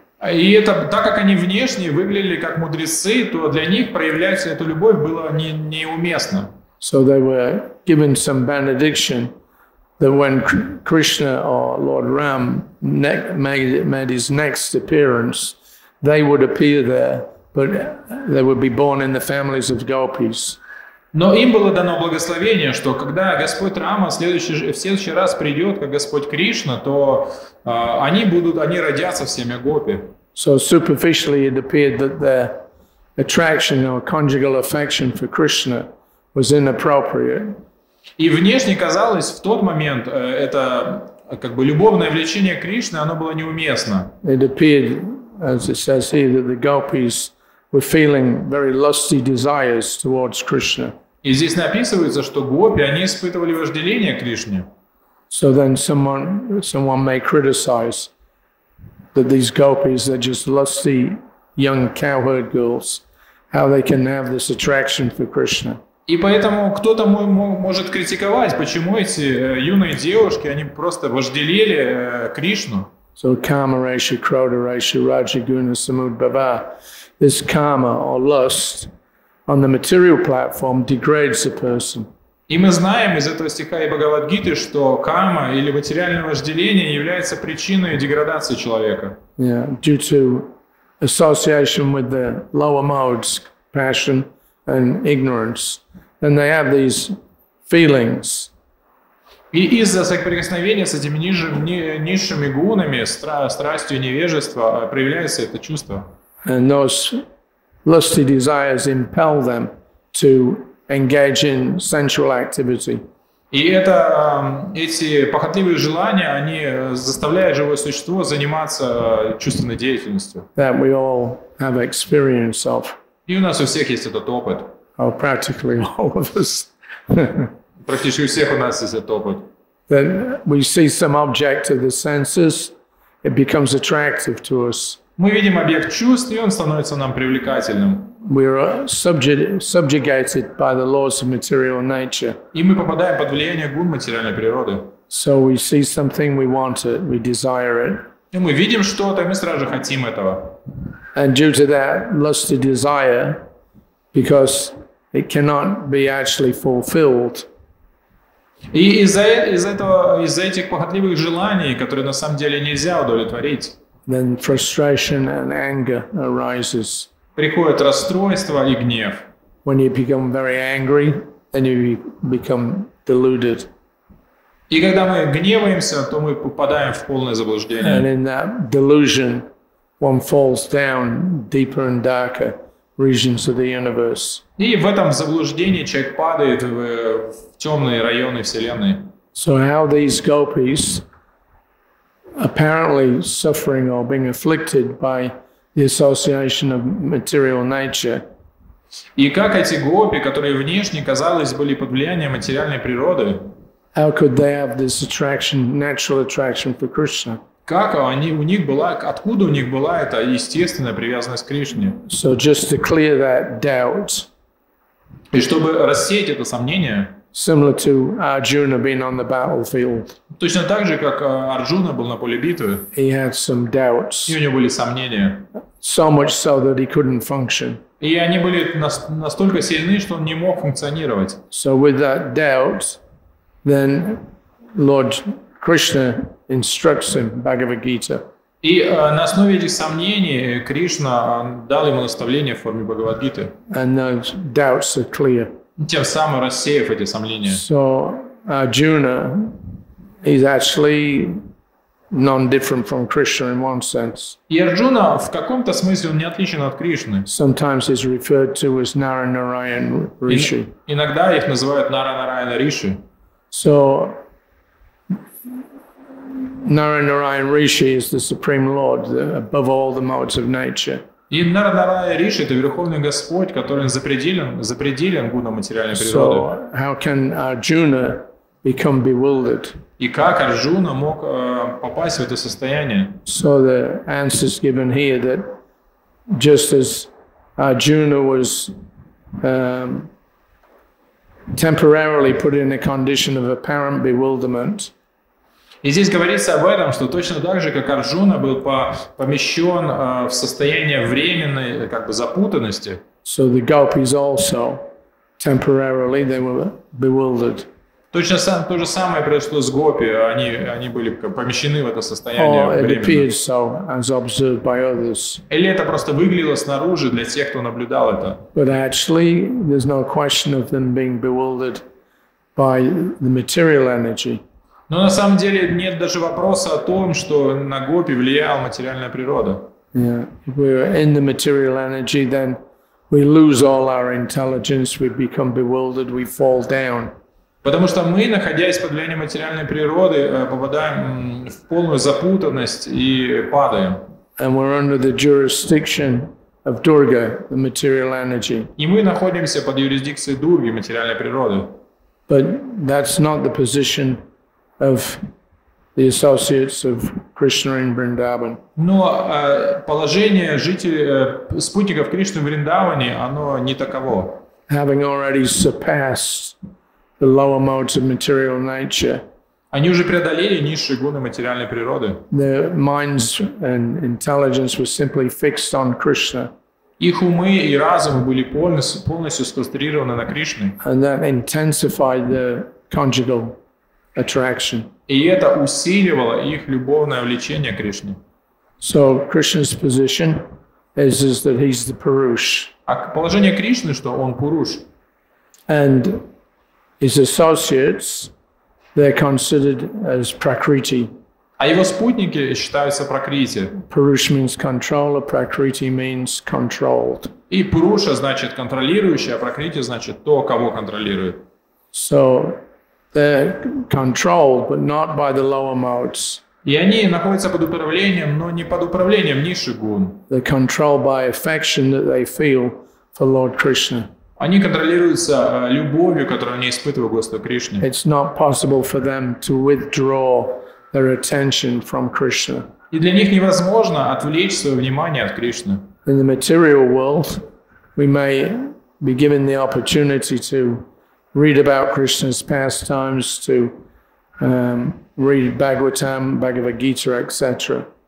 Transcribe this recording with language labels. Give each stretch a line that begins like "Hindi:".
Russian: И это, так как они внешне выглядели как мудрецы, то для них проявлять эту любовь было неуместно.
English: So they were given some benediction that when Krishna or Lord Ram made his next appearance, they would appear there But they would be born in the families of gopis.
Russian: Но им было дано благословение, что когда Господь Рама в следующий раз придет, как Господь Кришна, то они родятся в семье гопи.
English: So superficially it appeared that their attraction or conjugal affection for Krishna was inappropriate.
Russian: И внешне казалось в тот момент это как бы любовное влечение Кришны, оно было неуместно.
English: It appeared, as it says here, that the gopis were feeling very lusty desires towards Krishna.
Russian: И здесь написывается, что гопи, они испытывали вожделение Кришне.
English: So then someone may criticize that these gopis are just lusty young cowherd girls. How they can have this attraction for Krishna?
Russian: И поэтому кто-то может критиковать, почему эти юные девушки, они просто вожделели Кришну.
Sanskrit: So karma, raisha, krodha, raisha, rajaguna, samudbhava.
English: This karma or lust on the material platform degrades a person.
Russian: И мы знаем из этого стиха и Бхагавад-гиты, что карма или материальное вожделение является причиной деградации человека.
English: Yeah, due to association with the lower modes, passion and ignorance, then they have these feelings.
Russian: И из-за соприкосновения с этими низшими гунами, страстью невежества, проявляется это чувство.
English: And those lusty desires impel them to engage in sensual activity.
Russian: И это эти похотливые желания, они заставляют живое существо заниматься чувственной деятельностью.
English: That we all have experience of.
Russian: И у нас у всех есть этот опыт.
English: Oh, practically all of us.
Russian: Практически у всех у нас есть этот опыт.
English: That we see some object of the senses, it becomes attractive to us.
Russian: Мы видим объект чувств, и он становится нам привлекательным.
English: We are subjugated by the laws of material nature.
Russian: И мы попадаем под влияние гун материальной природы.
English: So we see something, we want it, we desire it.
Russian: И мы видим что-то, и мы сразу же хотим этого.
English: And due to that lusty desire, because it cannot be actually fulfilled.
Russian: И из-за этих похотливых желаний, которые на самом деле нельзя удовлетворить.
English: Then frustration and anger arises.
Russian: Приходит расстройство и гнев.
English: When you become very angry, then you become deluded.
Russian: И когда мы гневаемся, то мы попадаем в полное заблуждение.
English: And in that delusion, one falls down deeper and darker regions of the universe.
Russian: И в этом заблуждении человек падает в темные районы вселенной.
English: So how these gopis apparently suffering or being afflicted by the association of material nature.
Russian: И как эти гопи, которые внешне казалось были под влиянием материальной природы,
English: how could they have this attraction, natural attraction for Krishna?
Russian: Как они у них была, откуда у них была эта естественная привязанность к Кришне?
English: So just to clear that doubt.
Russian: И чтобы рассеять это сомнение.
English: Similar to Arjuna being on the battlefield.
Russian: Точно так же, как Арджуна был на поле битвы.
English: He had some doubts.
Russian: И у него были сомнения.
English: So much so that he couldn't function.
Russian: И они были настолько сильны, что он не мог функционировать.
English: So with that doubt, then Lord Krishna instructs him, Bhagavad Gita.
Russian: И на основе этих сомнений Кришна дал ему наставление в форме Бхагавад Гиты.
English: And those doubts are clear.
Russian: Тем самым рассеяв эти сомнения.
English: So Arjuna is actually non-different from Krishna in one sense.
Russian: И Арджуна в каком-то смысле он не отличен от Кришны.
English: Sometimes he's referred to as Наранараян Риши.
Russian: Иногда их называют Наранараян Риши.
English: So Наранараян Риши is the supreme lord above all the modes of nature.
Russian: И Наранараян Риши – это Верховный Господь, который запределен гуном материальной природы.
English: So how can Arjuna become bewildered?
Russian: И как Арджуна мог попасть в это состояние?
English: So the answer is given here that just as Arjuna was temporarily put in a condition of apparent bewilderment.
Russian: И здесь говорится об этом, что точно так же, как Арджуна был помещен в состояние временной как бы запутанности.
English: So the gopis also temporarily they were bewildered.
Russian: Точно то же самое произошло с гопи. Они были помещены в это состояние временно. Или это просто выглядело снаружи для тех, кто наблюдал это.
English: But actually, there's no question of them being bewildered by the material energy.
Russian: Но на самом деле нет даже вопроса о том, что на гопи влияла материальная природа.
English: Yeah. If we were in the material energy, then we lose all our intelligence, we become bewildered, we fall down.
Russian: Потому что мы, находясь под влиянием материальной природы, попадаем в полную запутанность и падаем.
English: And we're under the jurisdiction of Durga, the material energy.
Russian: И мы находимся под юрисдикцией Дурги, материальной природы.
English: But that's not the position of the associates of Krishna in Vrindavan.
Russian: Но положение жителей спутников Кришны в Вриндаване, оно не таково.
English: Having already surpassed the lower modes of material nature.
Russian: Они уже преодолели низшие гуны материальной природы.
English: Their minds and intelligence were simply fixed on Krishna.
Russian: Их умы и разумы были полностью сконцентрированы на Кришне.
English: And that intensified the conjugal attraction.
Russian: И это усиливало их любовное влечение к Кришне.
English: So Krishna's position is that he's the Purush.
Russian: А положение Кришны, что он Пуруш.
English: And his associates, they're considered as Prakriti.
Russian: А его спутники считаются Пракрити.
English: Purush means controller, Prakriti means controlled.
Russian: И Пуруша значит контролирующий, а Пракрити значит то, кого контролирует.
English: So they're controlled, but not by the lower modes.
Russian: И они находятся под управлением, но не под управлением низших гун.
English: They're controlled by affection that they feel for Lord Krishna.
Russian: Они контролируются любовью, которую они испытывают к Господу Кришне.
English: It's not possible for them to withdraw their attention from Krishna.
Russian: И для них невозможно отвлечь свое внимание от Кришны.
English: In the material world, we may be given the opportunity to read about Krishna's pastimes, to read Bhagavatam, Bhagavad Gita, etc.